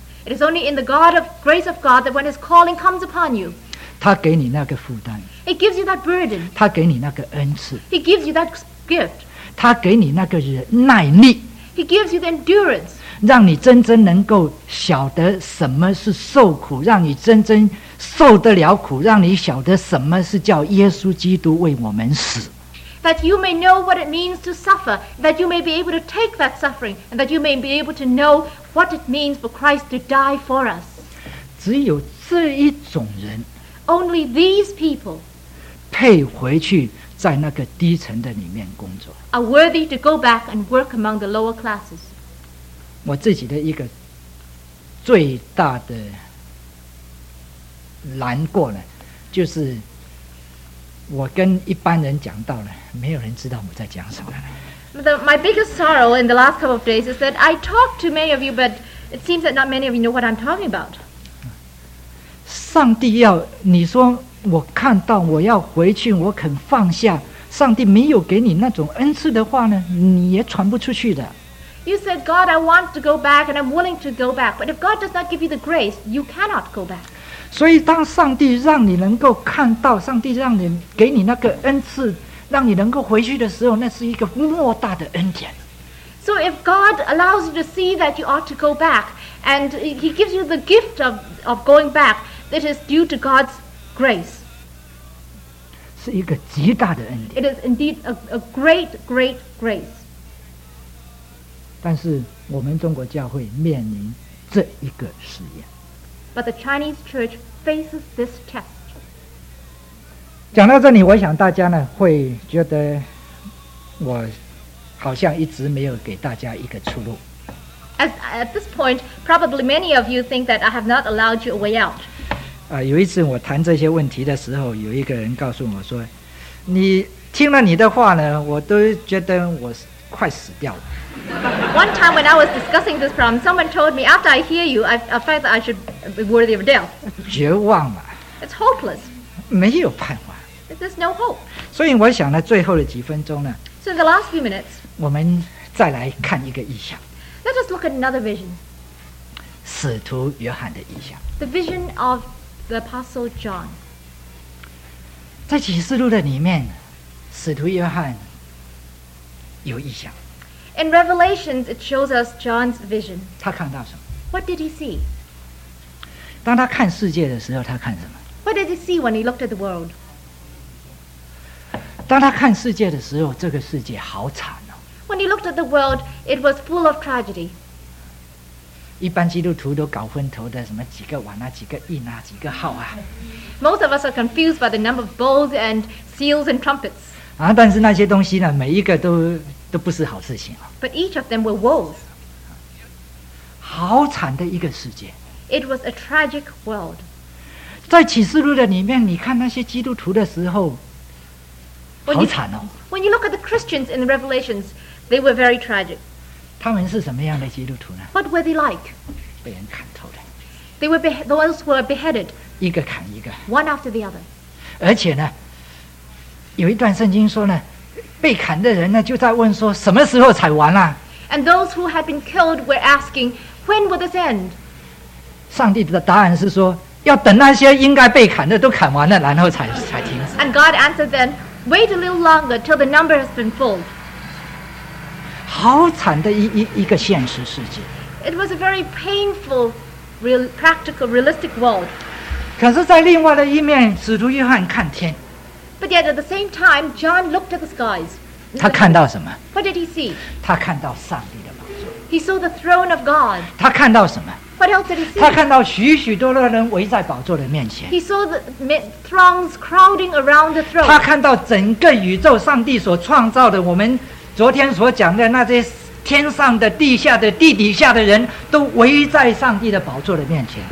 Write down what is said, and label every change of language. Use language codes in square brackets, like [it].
[en] It is only in the God of grace of God that when His calling comes upon you, [zh] 他给你那个负担。 [en] It gives you that burden. [zh] 他给你那个恩赐。 [en] He gives you that gift. [zh] 他给你那个耐力。 [en] He gives you the endurance. [zh] 让你真正能够晓得什么是受苦，让你真正受得了苦，让你晓得什么是叫耶稣基督为我们死。 [en] That you may know what it means to suffer, that you may be able to take that suffering, and that you may be able to know what it means for Christ to die for us. [zh] 只有这一种人 [en] Only these people [zh] 配回去在那个低层的里面工作 [en] are worthy to go back and work among the lower classes. [zh] 我自己的一个最大的难过呢，就是我跟一般人讲到了，没有人知道我在讲什么。 [en] My biggest sorrow in the last couple of days is that I talked to many of you, but it seems that not many of you know what I'm talking about. [zh] 上帝要你说，我看到我要回去，我肯放下。上帝没有给你那种恩赐的话呢，你也传不出去的。 [en] You said, God, I want to go back, and I'm willing to go back. But if God does not give you the grace, you cannot go back. [zh] 所以当上帝让你能够看到，上帝让你给你那个恩赐，让你能够回去的时候，那是一个莫大的恩典。 [en] So if God allows you to see that you ought to go back, and He gives you the gift of going back, that is due to God's grace. [zh] 是一个极大的恩典。 [en] It is indeed a great, great grace. [zh] 但是我们中国教会面临这一个试验。 [en] But the Chinese church faces this test. [zh] 讲到这里，我想大家呢会觉得我好像一直没有给大家一个出路。 [en] As at this point, probably many of you think that I have not allowed you a way out. [zh] 有一次我谈这些问题的时候，有一个人告诉我说：“你听了你的话呢，我都觉得我快死掉了。” [en] One time when I was discussing this problem, someone told me, after I hear you, I felt that I should be worthy of death. [zh] 绝望嘛。 [en] It's hopeless. [zh] 没有盼望。 [en] There's no hope. [zh] 所以我想呢，最后的几分钟呢。 [en] So in the last few minutes, [zh] 我们再来看一个意象。 [en] Let us look at another vision. [zh] 使徒约翰的意象。 [en] The vision of the Apostle John. [zh] 在启示录的里面，使徒约翰有意象。 [en] In Revelations, it shows us John's vision. [zh] 他看到什么？ [en] What did he see? [zh] 当他看世界的时候，他看什么？ [en] What did he see when he looked at the world? [zh] 当他看世界的时候，这个世界好惨哦。 [en] When he looked at the world, it was full of tragedy. [zh] 一般基督徒都搞昏头的，什么几个碗啊，几个印啊，几个号啊。 [en] Most of us are confused by the number of bowls and seals and trumpets. [zh] 啊，但是那些东西呢，每一个都不是好事情。 [en] But each of them were woes. [zh] 好惨的一个世界。 [en] It was a tragic world. [zh] 在启示录的里面，你看那些基督徒的时候，好惨哦。 [en] When you look at the Christians in the Revelations, they were very tragic. [zh] 他们是什么样的基督徒呢？ [en] What were they like? [zh] 被人砍头的。 [en] They were those who were beheaded. [zh] 一个砍一个。 [en] One after the other. [zh] 而且呢，有一段圣经说呢，被砍的人呢就在问说，什么时候才完啊？ [en] And those who had been killed were asking, when will this end? [zh] 上帝的答案是说，要等那些应该被砍的都砍完了，然后才停止。 [en] And God answered them, wait a little longer till the number has been filled. [zh] 好惨的一个现实世界。 [en] It was a very painful, real, practical, realistic world. [zh] 可是在另外的一面，使徒约翰看天。 [en] But yet at the same time, John looked at the skies. [zh] 他看到什么？ [en] What did he see? [zh] 他看到上帝的宝座。 [en] He saw the throne of God. [zh] 他看到什么？ [en] What else did he see? [zh] 他看到许许多多人围在宝座的面前。 [en] He saw the throngs crowding around the throne. [zh] 他看到整个宇宙上帝所创造的，我们昨天所讲的那些天上的、地下的、地底下的人都围在上帝的宝座的面前。